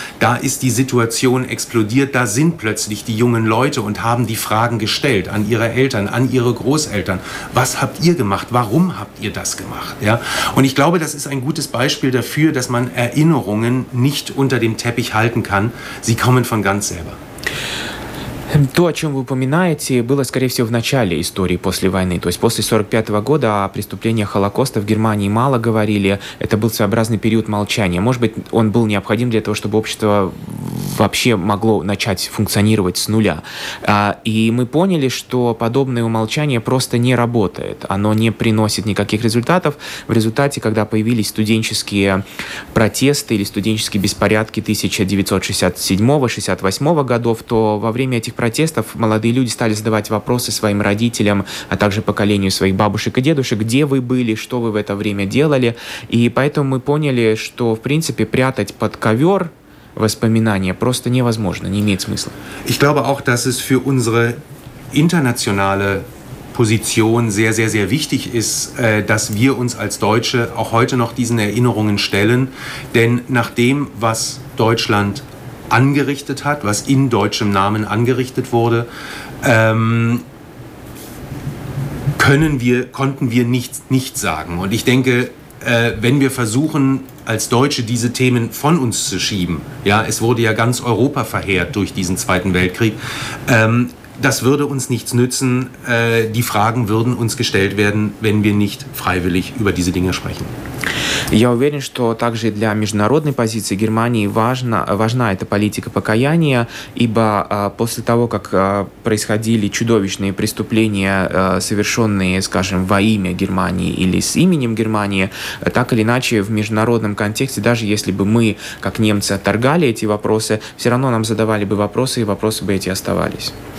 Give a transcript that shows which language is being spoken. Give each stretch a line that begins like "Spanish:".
German: Da ist die Situation explodiert. Da sind plötzlich die jungen Leute und haben die Fragen gestellt an ihre Eltern, an ihre Großeltern. Was habt ihr gemacht? Warum habt ihr das gemacht? Ja? Und ich glaube, das ist ein gutes Beispiel dafür, dass man Erinnerungen nicht unter dem Teppich halten kann. Sie kommen von ganz selber.
Russian: То, о чем вы упоминаете, было, скорее всего, в начале истории после войны. То есть после 1945 года о преступлениях Холокоста в Германии мало говорили. Это был своеобразный период молчания. Может быть, он был необходим для того, чтобы общество вообще могло начать функционировать с нуля. И мы поняли, что подобное умолчание просто не работает. Оно не приносит никаких результатов. В результате, когда появились студенческие протесты или студенческие беспорядки 1967-68 годов, то во время этих протестов молодые люди стали задавать вопросы своим родителям, а также поколению своих бабушек и дедушек, где вы были, что вы в это время делали. И поэтому мы поняли, что, в принципе, прятать под ковер воспоминания просто невозможно, не имеет смысла.
German: Ich glaube auch, dass es für unsere internationale Position sehr, sehr, sehr wichtig ist, dass wir uns als Deutsche auch heute noch diesen Erinnerungen stellen. Denn nach dem, was Deutschland angerichtet hat, was in deutschem Namen angerichtet wurde, konnten wir nicht sagen. Und ich denke, wenn wir versuchen, als Deutsche diese Themen von uns zu schieben, ja, es wurde ja ganz Europa verheert durch diesen Zweiten Weltkrieg, das würde uns nichts nützen. Die Fragen würden uns gestellt werden, wenn wir nicht freiwillig über diese Dinge sprechen.
Russian: Я уверен, что также для международной позиции Германии важна эта политика покаяния, ибо после того, как происходили чудовищные преступления, совершенные, скажем, во имя Германии или с именем Германии, так или иначе в международном контексте, даже если бы мы, как немцы, отторгали эти вопросы, все равно нам задавали бы вопросы, и вопросы бы эти оставались.